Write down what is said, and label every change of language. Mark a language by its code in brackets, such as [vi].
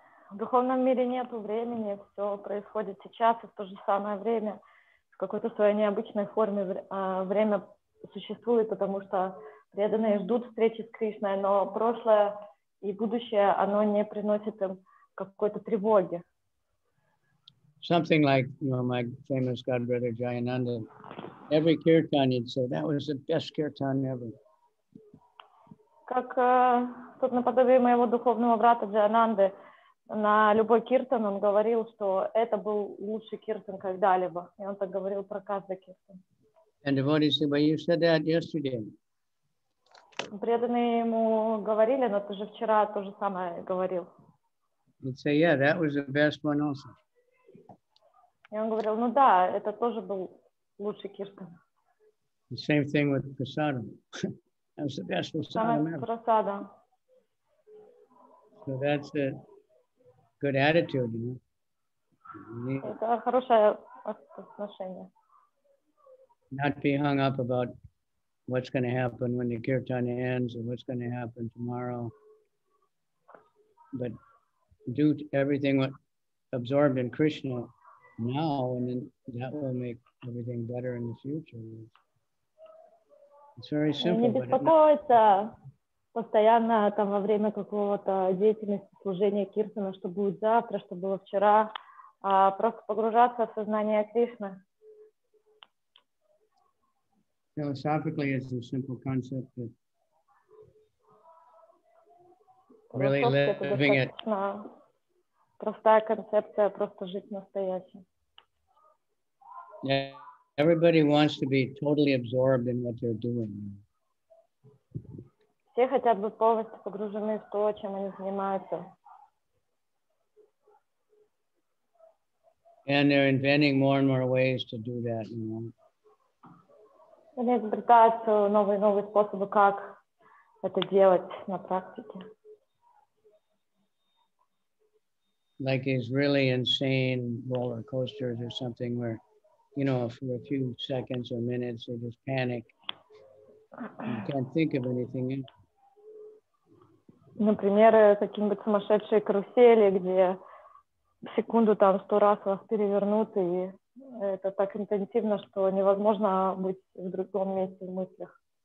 [ru] В духовном мире нет времени, все происходит сейчас и в то же самое время. В какой-то своей необычной форме время существует, потому что преданные ждут встречи с Кришной, но прошлое и будущее, оно не приносит им какой-то тревоги. [en] Something like, you know, my famous godbrother Jayananda. Every kirtan you'd say, that was the best kirtan ever. [ru] Как тот наподобие моего духовного брата Джайананды, на любой киртан он говорил, что это был лучший киртан когда-либо. И он так говорил про каждый киртан. [en] And devotees say, but you said that yesterday. [ru] Преданные ему говорили, но ты же вчера то же самое говорил. [en] He'd say, yeah, that was the best one also. [ru] И он говорил, ну да, это тоже был лучший киртан. [en] The same thing with prasadam. That was the best prasadam ever. Prasada. So that's a good attitude, you know. [ru] Это хорошее отношение. [en] Not be hung up about what's going to happen when the kirtan ends, and what's going to happen tomorrow. But due to everything what absorbed in Krishna now, and then that will make everything better in the future. It's very simple. [ru] Не беспокоиться постоянно там во время какого-то деятельности служения Киртана, что будет завтра, что было вчера, а просто погружаться в сознание Кришны. [en] Philosophically, it's a simple concept, but really living it. [ru] Простая концепция, просто жить настоящим. [en] Yeah, everybody wants to be totally absorbed in what they're doing. [ru] Все хотят быть полностью погружены в то, чем они занимаются. [en] And they're inventing more and more ways to do that, you know. [ru] Они изобретают все новые и новые способы, как это делать на практике. [en] Like these really insane roller coasters or something where, you know, for a few seconds or minutes they just panic. You can't think of anything. [ru] Например, какие-нибудь сумасшедшие карусели, где секунду там 100 раз вас перевернут, и это так интенсивно, что невозможно быть в другом месте в мыслях.